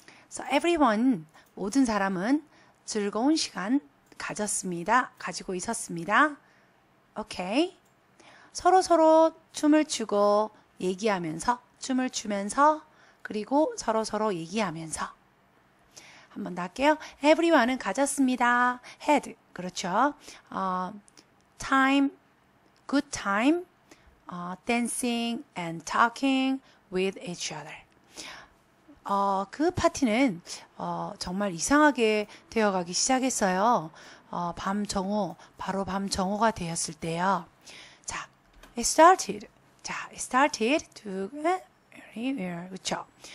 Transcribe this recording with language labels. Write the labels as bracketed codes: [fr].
[en] So everyone, [ko] 모든 사람은 즐거운 시간 가졌습니다. 가지고 있었습니다. [en] Okay. [ko] 서로서로 춤을 추고 얘기하면서 춤을 추면서 그리고 서로서로 얘기하면서 한번 더 할게요. Everyone은 가졌습니다. Had 그렇죠. [en] Time, good time, dancing and talking with each other. [ko] 그 파티는 정말 이상하게 되어 가기 시작했어요. 밤 정오, 바로 밤 정오가 되었을 때요. [en] It started. 자, it started to very weird. [ko] 그렇죠.